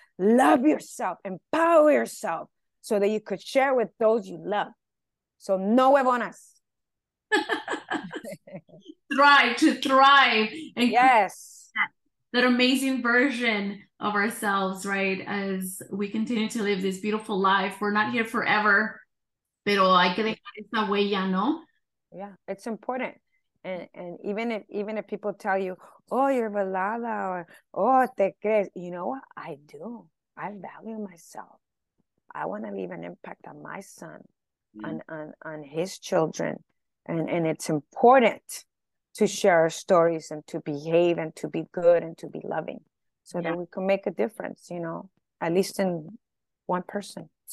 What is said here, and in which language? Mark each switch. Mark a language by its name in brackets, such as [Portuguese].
[English] Love yourself, empower yourself so that you could share with those you love. So no huevonas. to thrive. And yes. That amazing version of ourselves, right? As we continue to live this beautiful life. We're not here forever. [Spanish] Pero hay que dejar esa huella, ¿no? [English] Yeah, it's important. And even if people tell you, oh, you're velada, or oh, [Spanish] te crees, [English] you know what? I do. I value myself. I want to leave an impact on my son, on his children. And it's important to share our stories and to behave and to be good and to be loving so that we can make a difference, you know, at least in one person.